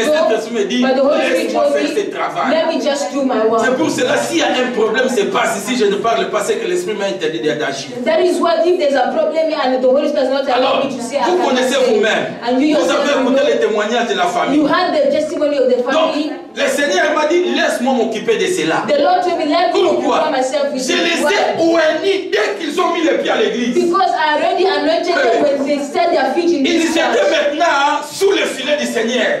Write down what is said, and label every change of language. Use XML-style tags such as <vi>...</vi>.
<fr>Mais le Saint-Esprit me dit, laisse-moi faire ce travail. C'est pour cela, s'il y a un problème, c'est pas ici, je ne parle pas, c'est que l'Esprit m'a interdit d'agir.</fr> <en>That is what if there's a problem and the Holy Spirit does not allow me to say.</en> <fr>Vous connaissez vous-même. Vous avez écouté les témoignages de la famille.</fr> <en>You had the testimony of the family.</en> <fr>Donc, le Seigneur m'a dit, laisse-moi m'occuper de cela.</fr> <en>The Lord told me, let me occupy myself with this.</en> <fr>Je les ai oignés dès qu'ils ont mis les pieds à l'église.</fr> <en>Because I already anointed them when they set their feet in this church.</en> <fr>Ils étaient maintenant sous le filet du Seigneur.</fr>